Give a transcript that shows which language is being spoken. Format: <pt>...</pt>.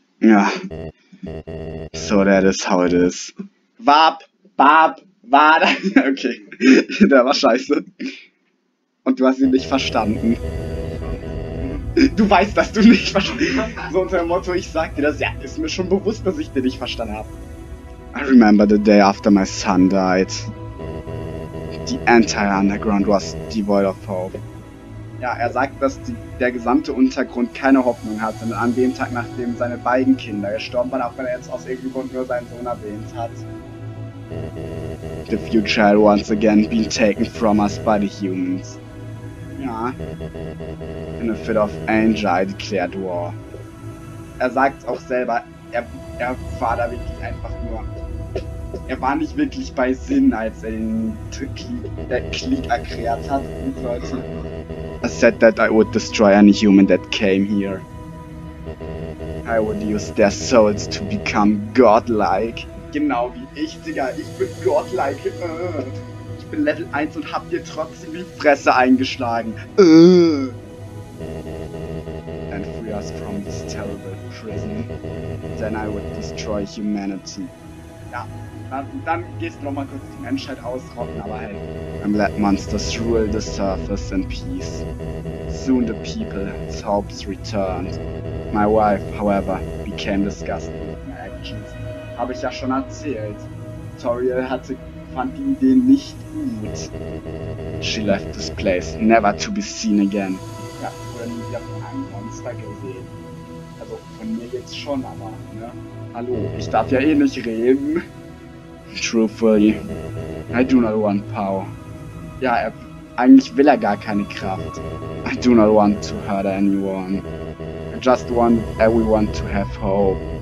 <de>Ja. So, der ist</de> <en>how it is.</en> <de>Warp, Barb, war. Okay, der war scheiße. Und du hast ihn nicht verstanden. Du weißt, dass du nicht verstanden hast. So unter dem Motto, ich sag dir das, ja, ist mir schon bewusst, dass ich dir nicht verstanden habe.</de> <en>I remember the day after my son died. The entire underground was devoid of hope.</en> <de>Ja, er sagt, dass der gesamte Untergrund keine Hoffnung hatte. Und an dem Tag, nachdem seine beiden Kinder gestorben waren, auch wenn er jetzt aus irgendeinem Grund nur seinen Sohn erwähnt hat.</de> <en>The future had once again been taken from us by the humans. Ja. In a fit of anger declared war.</en> <de>Er sagt auch selber, er war da wirklich einfach nur. Er war nicht wirklich bei Sinn, als er den Krieg erklärt hat und Leute.</de> <en>I said that I would destroy any human that came here. I would use their souls to become godlike.</en> <de>Genau wie ich, Digga. Ich bin godlike. Ich bin Level 1 und hab dir trotzdem die Fresse eingeschlagen.</de> <en>And free us from this terrible prison. Then I would destroy humanity.</en> <de>Ja, dann gehst du nochmal kurz die Menschheit ausrotten, aber hey.</de> <en>And let monsters rule the surface in peace. Soon the people's hopes returned. My wife, however, became disgusted with my actions.</en> <de>Habe ich ja schon erzählt. Toriel fand die Idee nicht gut.</de> <en>She left this place, never to be seen again.</en> <de>Ja, wurde nie wieder von einem Monster gesehen. Also von mir jetzt schon, aber, ne? Hallo, ich darf ja eh nicht reden.</de> <en>Truthfully, I do not want power.</en> <de>Ja, eigentlich will er gar keine Kraft.</de> <en>I do not want to hurt anyone. I just want everyone to have hope.</en>